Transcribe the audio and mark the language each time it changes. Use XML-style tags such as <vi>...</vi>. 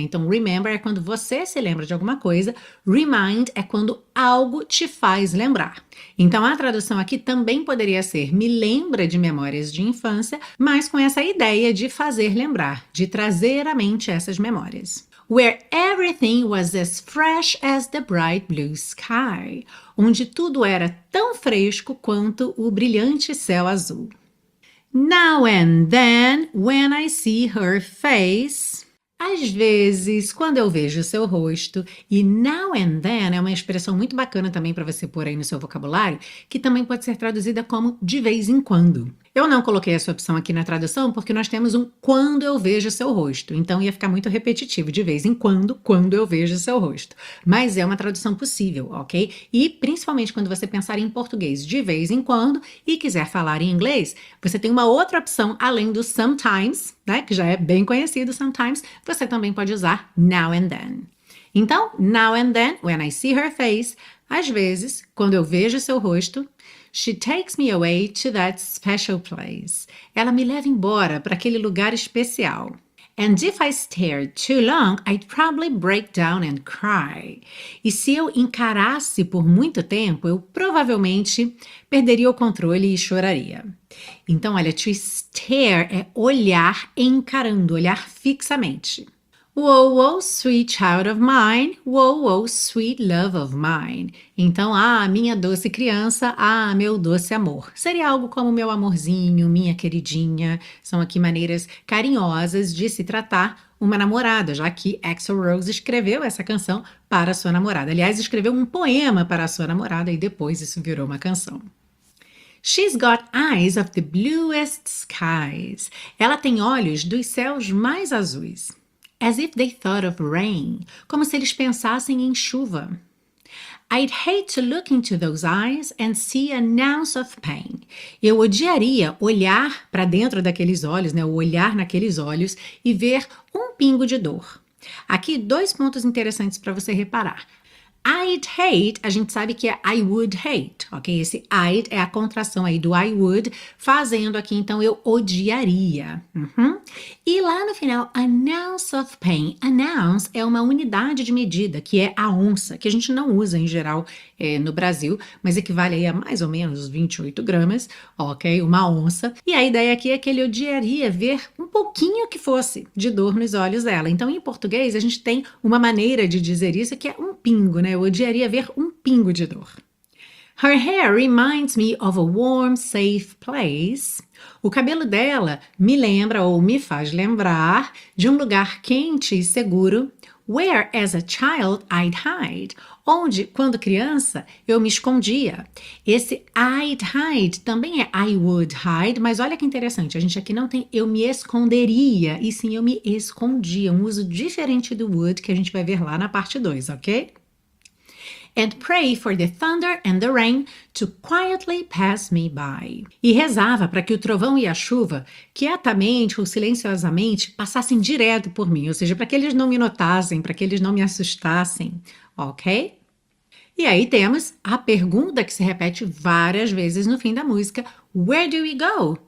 <pt>Então, remember é quando você se lembra de alguma coisa, remind é quando algo te faz lembrar. Então, a tradução aqui também poderia ser me lembra de memórias de infância, mas com essa ideia de fazer lembrar, de trazer à mente essas memórias.</pt> <en>Where everything was as fresh as the bright blue sky.</en> <pt>Onde tudo era tão fresco quanto o brilhante céu azul.</pt> <en>Now and then, when I see her face.</en> <pt>Às vezes, quando eu vejo o seu rosto. E now and then é uma expressão muito bacana também para você pôr aí no seu vocabulário, que também pode ser traduzida como de vez em quando. Eu não coloquei essa opção aqui na tradução porque nós temos um quando eu vejo o seu rosto. Então ia ficar muito repetitivo, de vez em quando eu vejo o seu rosto. Mas é uma tradução possível, ok? E principalmente quando você pensar em português de vez em quando e quiser falar em inglês, você tem uma outra opção além do sometimes, né? Que já é bem conhecido, sometimes. Você também pode usar now and then. Então,</pt> <en>now and then, when I see her face,</en> <pt>às vezes, quando eu vejo o seu rosto,</pt> <en>she takes me away to that special place.</en> <pt>Ela me leva embora para aquele lugar especial.</pt> <en>And if I stared too long, I'd probably break down and cry.</en> <pt>E se eu encarasse por muito tempo, eu provavelmente perderia o controle e choraria. Então, olha, to stare é olhar encarando, olhar fixamente.</pt> <en>Whoa, whoa, sweet child of mine. Whoa, whoa, sweet love of mine.</en> <pt>Então, ah, minha doce criança, ah, meu doce amor. Seria algo como meu amorzinho, minha queridinha. São aqui maneiras carinhosas de se tratar uma namorada, já que Axl Rose escreveu essa canção para sua namorada. Aliás, escreveu um poema para sua namorada e depois isso virou uma canção.</pt> <en>She's got eyes of the bluest skies.</en> <pt>Ela tem olhos dos céus mais azuis.</pt> <en>As if they thought of rain.</en> <pt>Como se eles pensassem em chuva.</pt> <en>I'd hate to look into those eyes and see an ounce of pain.</en> <pt>Eu odiaria olhar para dentro daqueles olhos, né? Ou olhar naqueles olhos e ver um pingo de dor. Aqui, dois pontos interessantes para você reparar. I'd hate, a gente sabe que é I would hate, ok? Esse I'd é a contração aí do I would, fazendo aqui então eu odiaria. E lá no final, an ounce of pain. An ounce é uma unidade de medida, que é a onça, que a gente não usa em geral no Brasil, mas equivale aí a mais ou menos 28 gramas, ok? Uma onça. E a ideia aqui é que ele odiaria ver um pouquinho que fosse de dor nos olhos dela. Então em português a gente tem uma maneira de dizer isso que é um pingo, né? Eu odiaria ver um pingo de dor.</pt> <en>Her hair reminds me of a warm, safe place.</en> <pt>O cabelo dela me lembra ou me faz lembrar de um lugar quente e seguro.</pt> <en>Where as a child I'd hide.</en> <pt>Onde, quando criança, eu me escondia. Esse I'd hide também é I would hide, mas olha que interessante, a gente aqui não tem eu me esconderia, e sim eu me escondia, um uso diferente do would que a gente vai ver lá na parte 2, ok?</pt> <en>And pray for the thunder and the rain to quietly pass me by.</en> <pt>E rezava para que o trovão e a chuva, quietamente ou silenciosamente, passassem direto por mim, ou seja, para que eles não me notassem, para que eles não me assustassem, ok? E aí temos a pergunta que se repete várias vezes no fim da música:</pt> <en>Where do we go?</en>